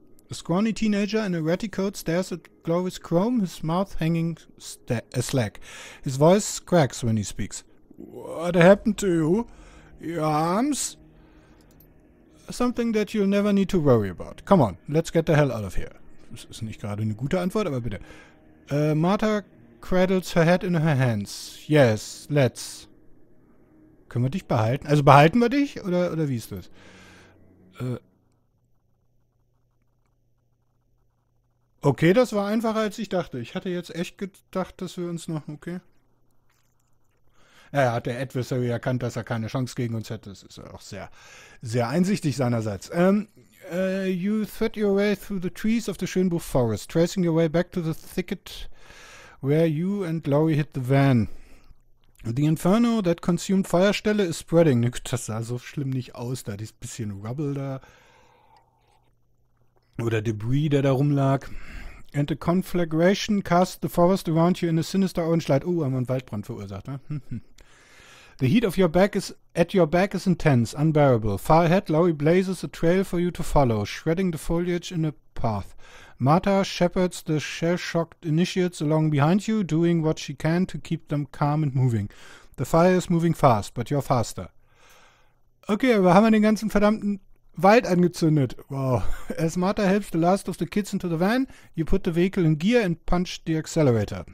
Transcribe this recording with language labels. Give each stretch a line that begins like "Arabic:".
English: A scrawny teenager in a ratty coat stares at Glory's chrome, his mouth hanging slack. His voice cracks when he speaks. What happened to you? Your arms? Something that you'll never need to worry about. Come on, let's get the hell out of here.
German: Das ist nicht gerade eine gute Antwort, aber bitte.
English: Martha cradles her head in her hands. Yes, let's.
German: Können wir dich behalten? Also behalten wir dich? Oder wie ist das? Okay, das war einfacher, als ich dachte. Ich hatte jetzt echt gedacht, dass wir uns noch... Okay. Naja, hat der Adversary erkannt, dass er keine Chance gegen uns hätte. Das ist auch sehr, sehr einsichtig seinerseits.
English: You thread your way through the trees of the Schönbuch Forest, tracing your way back to the thicket where you and Glory hit the van. The inferno that consumed Feuerstelle is spreading.
German: Das sah so schlimm nicht aus. Da ist ein bisschen Rubble da. Oder Debris, der da rumlag.
English: And the conflagration cast the forest around you in a sinister orange light.
German: Oh, haben wir einen Waldbrand verursacht, ne?
English: The heat of your back is at your back is intense, unbearable. Far ahead, Laurie blazes a trail for you to follow, shredding the foliage in a path. Martha shepherds the shell-shocked initiates along behind you, doing what she can to keep them calm and moving. The fire is moving fast, but you're faster.
German: Okay, aber haben wir den ganzen verdammten Wald angezündet. Wow.
English: As Martha helps the last of the kids into the van, you put the vehicle in gear and punch the accelerator.